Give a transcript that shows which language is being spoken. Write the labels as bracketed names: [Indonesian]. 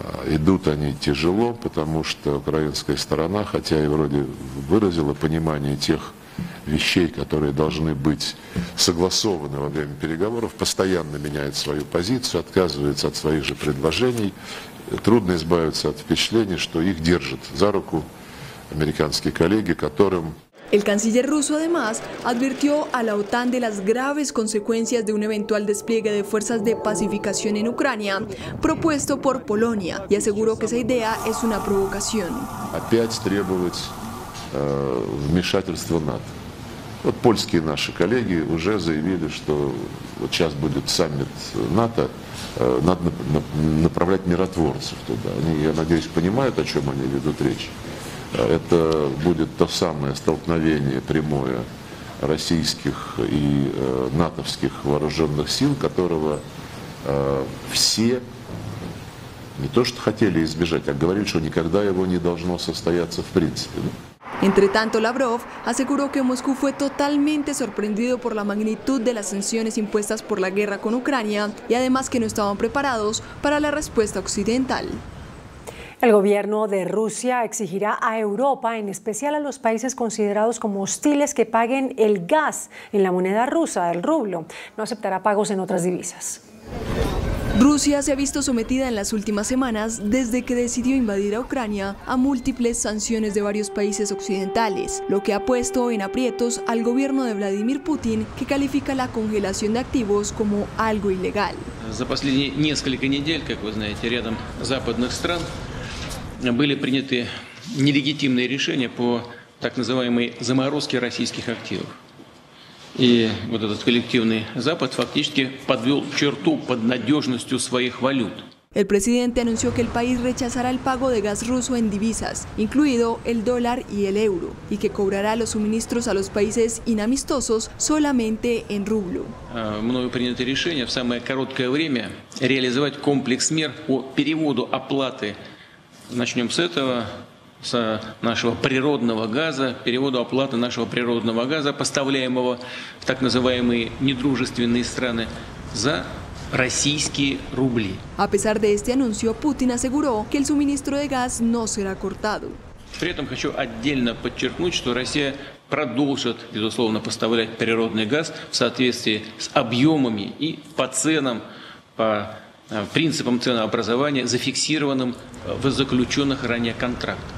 [Russian] Идут они тяжело, потому что украинская сторона, хотя и вроде выразила понимание тех вещей, которые должны быть согласованы во время переговоров, постоянно меняет свою позицию, отказывается от своих же предложений. Трудно избавиться от впечатления, что их держат за руку американские коллеги, которым... [Spanish] El canciller ruso además advirtió a la OTAN de las graves consecuencias de un eventual despliegue de fuerzas de pacificación en Ucrania propuesto por Polonia y aseguró que esa idea es una provocación. [Russian] Опять требовать вмешательства НАТО. Вот польские наши коллеги уже заявили, что вот сейчас будет саммит НАТО, надо направлять миротворцев туда. Они, я надеюсь, понимают, о чем они ведут речь. Это будет то самое столкновение прямое российских и натовских вооруженных сил, которого все не то что хотели избежать, а говорили, что никогда его не должно состояться в принципе. [Spanish] Entre tanto, Lavrov aseguró que Moscú fue totalmente sorprendido por la magnitud de las sanciones impuestas por la guerra con Ucrania y además que no estaban preparados para la respuesta occidental. El gobierno de Rusia exigirá a Europa, en especial a los países considerados como hostiles, que paguen el gas en la moneda rusa, el rublo. No aceptará pagos en otras divisas. Rusia se ha visto sometida en las últimas semanas, desde que decidió invadir a Ucrania, a múltiples sanciones de varios países occidentales, lo que ha puesto en aprietos al gobierno de Vladimir Putin, que califica la congelación de activos como algo ilegal. [Russian] За последние несколько недель, как вы знаете, рядом западных стран были приняты нелегитимные решения по так называемой заморозке российских активов. И вот этот коллективный Запад фактически подвел черту под надежностью своих валют. [Spanish] El presidente anunció que el país rechazará el pago de gas ruso en divisas, incluido el dólar y el euro, y que cobrará los suministros a los países inamistosos solamente en rublo. [Russian] Мною принято решение в самое короткое время реализовать комплекс мер по переводу оплаты. Начнем с этого, с нашего природного газа, перевода оплаты нашего природного газа, поставляемого в так называемые недружественные страны, за российские рубли. [Spanish] A pesar de este anuncio, Putin aseguró que el suministro de gas no será cortado. [Russian] При этом хочу отдельно подчеркнуть, что Россия продолжит, безусловно, поставлять природный газ в соответствии с объемами и по ценам, по принципам ценообразования, зафиксированным в заключенных ранее контрактах.